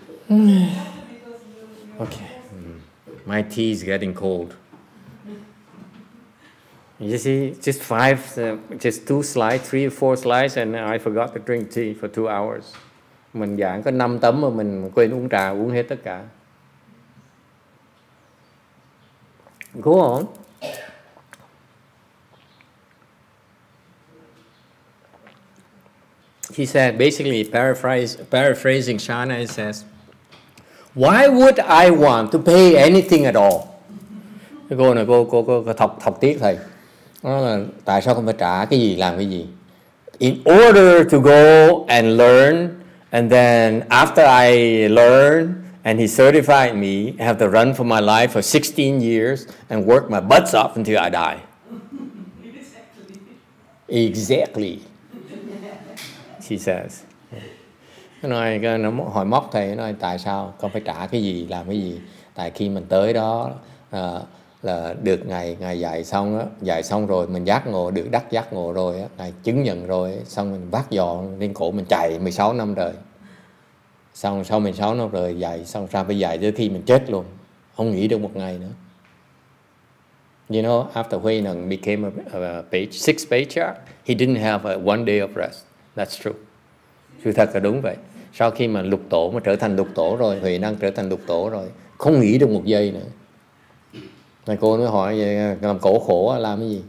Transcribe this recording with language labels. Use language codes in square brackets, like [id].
[en] Okay, my tea is getting cold. You see, just two slides, three or four slides, and I forgot to drink tea for 2 hours. [vi] Mình giảng có 5 tấm mà mình quên uống trà, uống hết tất cả. [en] Go on. He said, basically paraphrasing Shana, he says, why would I want to pay anything at all? [vi] Go, thọc tiếc thầy. Tại sao không phải trả cái gì làm cái gì? [en] In order to go and learn, and then after I learn and he certified me, I have to run for my life for 16 years and work my butts off until I die. Exactly. She says. [vi] Nó hỏi móc thầy, nói tại sao không phải trả cái gì làm cái gì? Tại khi mình tới đó là được ngài dạy xong rồi mình giác ngộ, được đắc giác ngộ rồi á, ngài chứng nhận rồi, xong mình vác giò lên cổ mình chạy 16 năm rồi. Xong sau 16 năm rồi dạy xong ra phải dạy tới khi mình chết luôn, không nghỉ được một ngày nữa. [en] You know, after HuiNeng became sixth patriarch, he didn't have one day of rest. That's true. [vi] Sự thật là đúng vậy. Sau khi mà lục tổ mà trở thành lục tổ rồi, HuiNeng trở thành lục tổ rồi, không nghỉ được một giây nữa. Này cô mới hỏi vậy, làm cổ khổ làm cái gì?